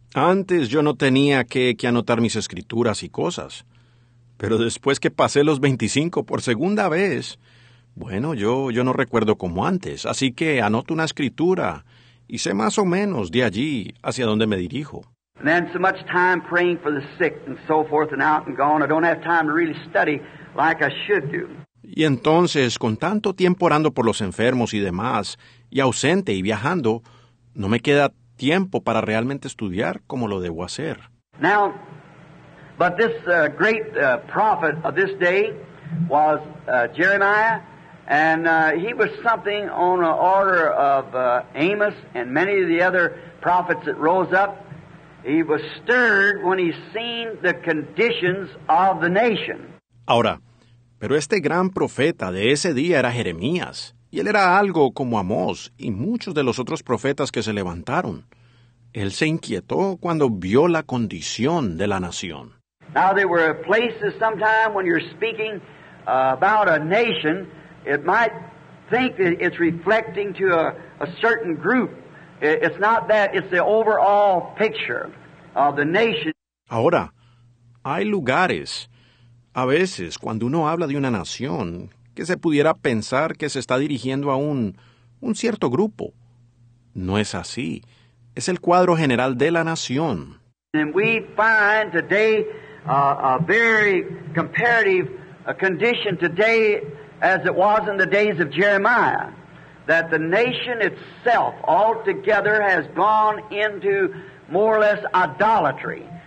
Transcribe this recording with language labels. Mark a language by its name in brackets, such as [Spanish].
[Spanish] Antes yo no tenía que anotar mis escrituras y cosas. Pero después que pasé los 25 por segunda vez, Bueno, yo no recuerdo como antes, así que anoto una escritura y sé más o menos de allí hacia dónde me dirijo. [English] And then so much time praying for the sick and so forth and out and gone, I don't have time to really study like I should do. [Spanish] Y entonces, con tanto tiempo orando por los enfermos y demás, y ausente y viajando, no me queda tiempo para realmente estudiar como lo debo hacer. [English] Now, but this great prophet of this day was Jeremiah, and he was something on the order of Amos and many of the other prophets that rose up. He was stirred when he seen the conditions of the nation. [Spanish] Ahora, pero este gran profeta de ese día era Jeremías, y él era algo como Amós y muchos de los otros profetas que se levantaron. Él se inquietó cuando vio la condición de la nación. [English] Now there were places sometime when you're speaking about a nation, it might think that it's reflecting to a certain group. It's not that, it's the overall picture of the nation. [Spanish] Ahora, hay lugares, a veces, cuando uno habla de una nación, que se pudiera pensar que se está dirigiendo a un cierto grupo. No es así. Es el cuadro general de la nación. [English] And we find today a very comparative condition today as it was in the days of Jeremiah, that the nation itself altogether has gone into more or less idolatry.